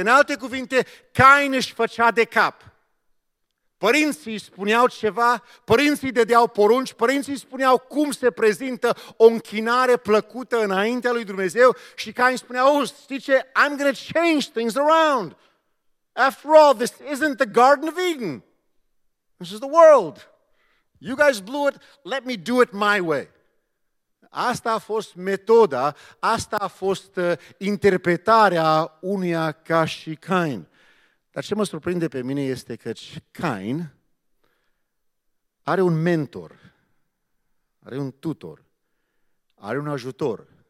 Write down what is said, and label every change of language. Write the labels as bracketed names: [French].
[Romanian] În alte cuvinte, Cain își făcea de cap. Părinții îi spuneau ceva, părinții îi dădeau porunci, părinții îi spuneau cum se prezintă o închinare plăcută înaintea lui Dumnezeu și Cain spunea, știi ce, [English] I'm going to change things around. After all, this isn't the Garden of Eden. This is the world. You guys blew it, let me do it my way. [Romanian] Asta a fost metoda, asta a fost interpretarea unuia ca și Cain. Dar ce mă surprinde pe mine este că Cain are un mentor, are un tutor, are un ajutor.